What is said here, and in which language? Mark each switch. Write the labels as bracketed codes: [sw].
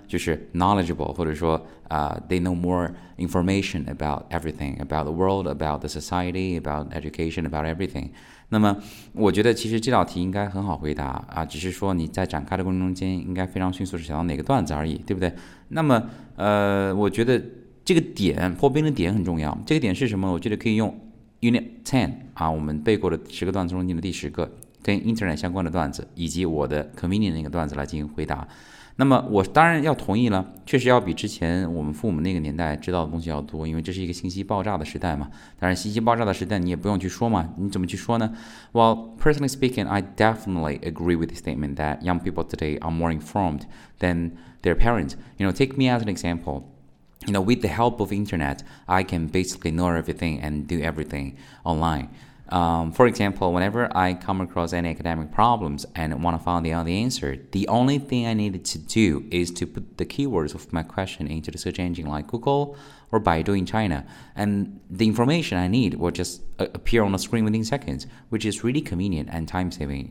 [en] 就是 knowledgeable， [zh] 或者说 [en] they know more information about everything, about the world, about the society, about education, about everything。 [zh] 那么我觉得其实这道题应该很好回答啊，只是说你在展开的过程中间应该非常迅速地想到哪个段子而已，对不对？那么我觉得这个点破冰的点很重要。这个点是什么？我觉得可以用 Unit 10啊，我们背过的十个段子中间的第十个跟 Internet 相关的段子，以及我的 Convenient 那个段子来进行回答。那么我当然要同意了，确实要比之前我们父母那个年代知道的东西要多，因为这是一个信息爆炸的时代嘛。当然信息爆炸的时代你也不用去说嘛，你怎么去说呢？ [en] Well, personally speaking, I definitely agree with the statement that young people today are more informed than their parents. You know, take me as an example. You know, with the help of internet, I can basically know everything and do everything online. For example, whenever I come across any academic problems and want to find out the answer, the only thing I needed to do is to put the keywords of my question into the search engine like Google or Baidu in China, and the information I need will just appear on the screen within seconds, which is really convenient and time-saving.